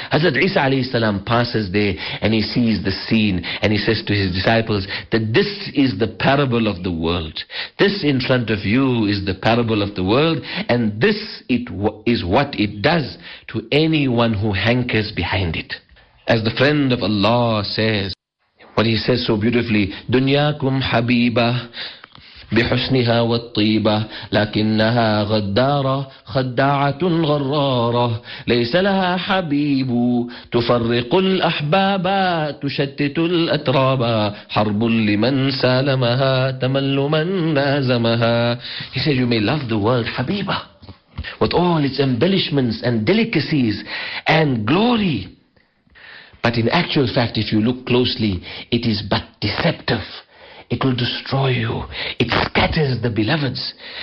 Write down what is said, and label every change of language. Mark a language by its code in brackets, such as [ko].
[en] Hazrat Isa alayhi salam passes there and he sees the scene and he says to his disciples that this is the parable of the world. This in front of you is the parable of the world, and this is what it does to anyone who hankers behind it. As the friend of Allah says, what he says so beautifully, [ar] dunyakum habiba بحسنها والطيبة لكنها غدارة خداعة غرارة ليس لها حبيب تفرق الأحباب تشتت الأتراب حرب لمن سالمها تمل من نازمها. [en] He says, you may love the world habiba with all its embellishments and delicacies and glory, but in actual fact, if you look closely, it is but deceptive. It will destroy you. It scatters the beloveds.